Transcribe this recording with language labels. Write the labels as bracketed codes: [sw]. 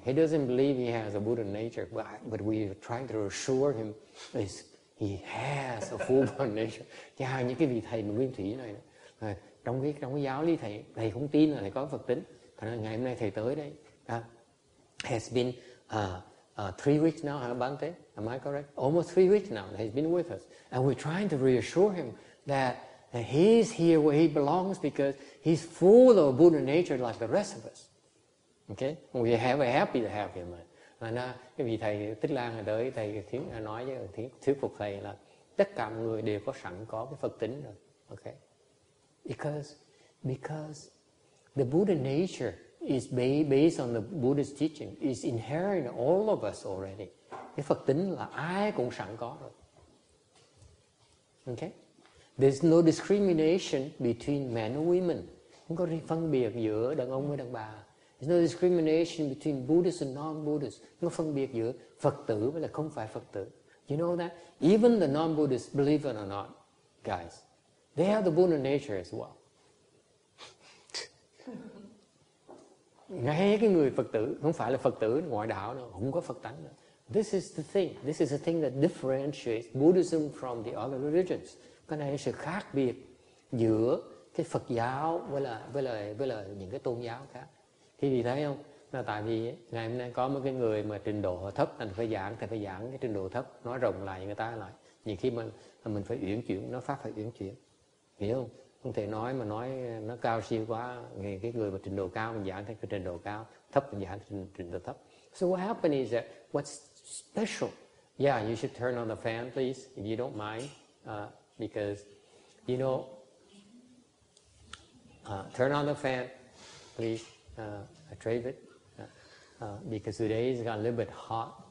[en] He doesn't believe he has a Buddha nature, but we are trying to assure him is he has a full Buddha nature. [vi] Chà, những cái vị thầy mà nguyên thủy này trong cái giáo lý thầy không tin là thầy có Phật tính. Thành ra ngày hôm nay thầy tới đây [en] has been 3 weeks now, Bhante, am I correct? Almost 3 weeks now that he's been with us. And we're trying to reassure him that he's here where he belongs because he's full of Buddha nature like the rest of us. Okay? We are happy to have him. [vi] And cái vị thầy Tích Lan ở đấy, thầy nói với thuyết phục thầy là tất cả mọi người đều có sẵn có cái Phật tính rồi. Okay? [en] Because the Buddha nature is based on the Buddha's teaching, is inherent in all of us already. [vi] Cái Phật tính là ai cũng sẵn có rồi. Okay? [en] There's no discrimination between men and women. [vi] Không có phân biệt giữa đàn ông với đàn bà. [en] There's no discrimination between Buddhists and non-Buddhists. [vi] Không có phân biệt giữa Phật tử với là không phải Phật tử. [en] You know that? Even the non-Buddhists, believe it or not, guys, they have the Buddha nature as well. [vi] Ngay cái người Phật tử, không phải là Phật tử ngoại đạo đâu, không có Phật tánh đâu. This is the thing. This is the thing that differentiates Buddhism from the other religions. Cái này là sự khác biệt giữa cái Phật giáo với là những cái tôn giáo khác. Thì vì thấy không? Là tại vì ngày hôm nay có một cái người mà trình độ thấp, anh phải giảng, thì phải giảng cái trình độ thấp, nói rộng lại người ta lại. Nhiều khi mình phải uyển chuyển, nó pháp phải uyển chuyển. Hiểu không? Không thể nói mà nói nó cao siêu quá. Thì cái người mà trình độ cao mình giảng theo cái trình độ cao, thấp mình giảng trình độ thấp. [en] So what happened is that what's special? Yeah, you should turn on the fan, please, if you don't mind. Because, you know, turn on the fan, please, Travis, because today it's got a little bit hot.